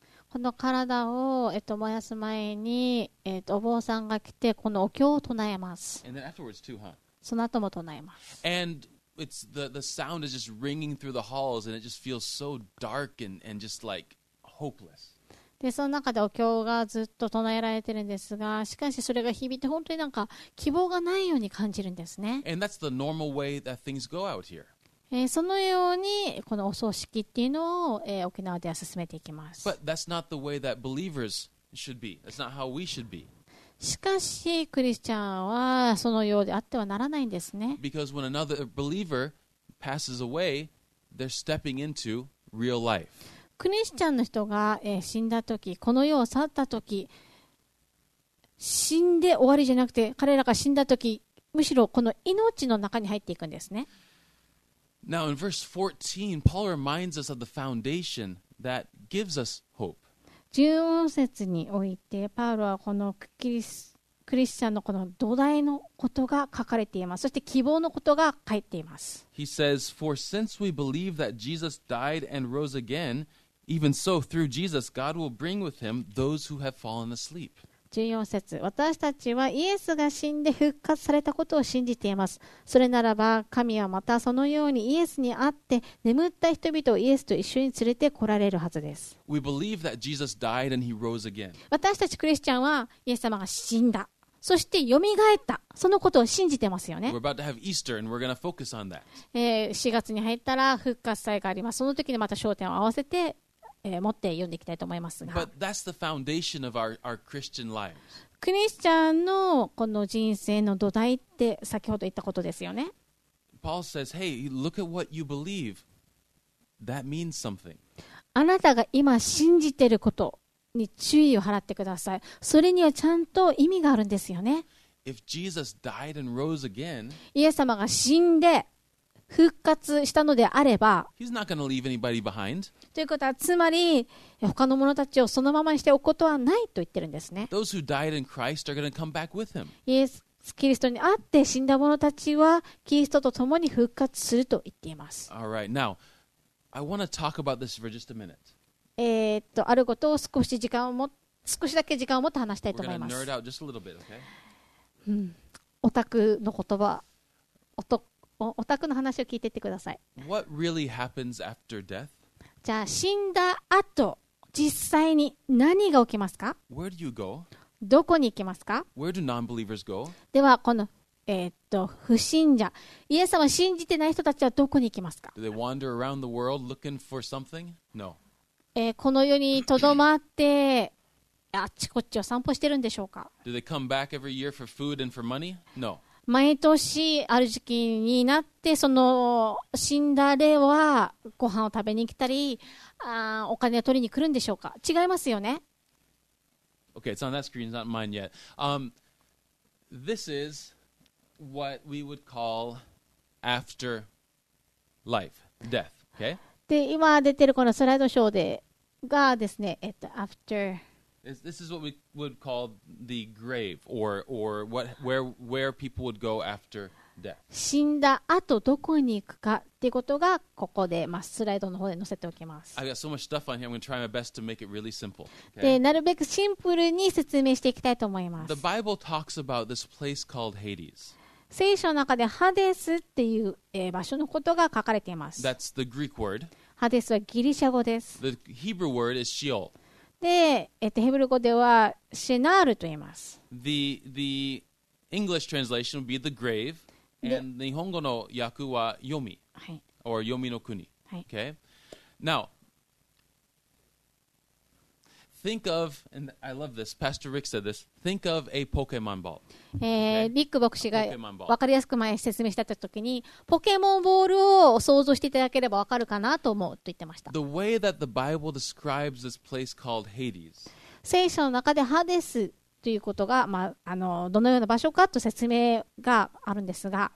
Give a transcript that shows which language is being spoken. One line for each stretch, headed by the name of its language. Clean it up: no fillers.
Japanese: この体を燃やす前に、お坊さんが来て、このお経を唱えます。
English: And then afterwards too, huh?
Japanese: その後も唱えます。
English: And it's the sound is just ringing through the halls, and it just feels so dark and just like... Hopeless.
Japanese: でその中でお経がずっと唱えられてるんですが、しかしそれが響いて本当になんか希望がないように感じるんですね。
English: And that's the normal way that things go out here.
Japanese: そのようにこのお葬式っていうのを、沖縄では進めていきます。
English: But that's not the way that believers should be. That's not how we should be.
Japanese: しかしクリスチャンはそのようであってはならないんですね。
English: Because when another believer passes away, they're stepping into real life.
Japanese: クリスチャンの人が、死んだとき、この世を去ったとき、死んで終わりじゃなくて、彼らが死んだとき、むしろこの命の中に入っていくんですね。
English: Now, in verse 14, Paul reminds us of the foundation that gives us hope.
Japanese: 14節において、パウロはこのクリスチャンのこの土台のことが書かれています。そして希望のことが書いています。
English: He says, For since we believe that Jesus died and rose again, even so, through Jesus, God will bring with him those who have fallen asleep.
Japanese: 14節、私たちはイエスが死んで復活されたことを信じています。それならば、神はまたそのようにイエスに会って眠った人々をイエスと一緒に連れて来られるはずです。
English: We believe that Jesus died and he rose again.
Japanese: 私たちクリスチャンはイエス様が死んだ。そして蘇った。そのことを信じてますよね。
English: We're about to have Easter and we're going to focus on that.
Japanese: 4月に入ったら復活祭があります。その時にまた焦点を合わせて、持って読んでいきたいと思いますが。
English: But that's the foundation of our Christian lives.
Japanese: クリスチャンのこの人生の土台って先ほど言ったことですよね。
English: Paul says, hey, look at what you believe. That means something.
Japanese: あなたが今信じてること。に注意を払ってください。それにはちゃんと意味があるんですよね。
English: If Jesus died and rose again,
Japanese: イエス様が死んで復活したのであれば、
English: He's not going to leave anybody behind.
Japanese: ということはつまり他の者たちをそのままにしておくことはないと言ってるんですね。
English: Those who died in Christ are going to come back with him.
Japanese: イエスキリストに会って死んだ者たちはキリストと共に復活すると言っています。
English: All right. Now, I want to talk about this for just a minute.
Japanese: あることを少し時間をも少しだけ時間を持って話したいと思います。
English: We're gonna nerd out just a little bit, okay?
Japanese: オタクの言葉、オタクの話を聞いていってください。
English: What really happens after death?
Japanese: じゃあ死んだ後、実際に何が起きますか?
English: Where do you go?
Japanese: どこに行きますか?
English: Where do non-believers go?
Japanese: ではこの不信者、イエス様を信じてない人たちはどこに行きますか?
English: Do they wander around the world looking for something? No.
Japanese: この世にとどまってあっちこっちを散歩してるんでしょうか。
English: Do they come back every year for food and for money? No.
Japanese: 毎年ある時期になってその死んだ霊はご飯を食べに来たりお金を取りに来るんでしょうか。違いますよね。
English: Okay, it's on that screen, it's not mine yet. This is what we would call after life, death. Okay?
Japanese: で今出てるこのスライドショーでがですね、after
English: This is what we would call the grave or where people would go after
Japanese: 死んだ後どこに行くかっていうことがここで、まあ、スライドの方で載せておきます。
English: I've got so much stuff on here. I'm going to try my best to make it really simple. Okay.
Japanese: で、なるべくシンプルに説明していきたいと思います。
English: The Bible talks about this place called Hades.
Japanese: 聖書の中でハデスっていう、場所のことが書かれています。
English: That's the Greek word.
Japanese: ハデスはギリシャ語です。
English: The Hebrew word is Sheol.
Japanese: で、ヘブル語ではシェナールと言います。
English: The English translation would be the grave.
Japanese: And 日本語の訳は読み、はい、 or 読みの国、はい、
English: okay? Now, think of, and I love this, Pastor Rick said this, think of a Pokemon ball.
Japanese: リック牧師が分かりやすく前説明した時に、ポケモンボールを想像していただければ分かるかなと思うと言ってました。
English: The way that the Bible describes this place called Hades.
Japanese: 聖書の中でハデスということが、まあ、どのような場所かと説明があるんですが、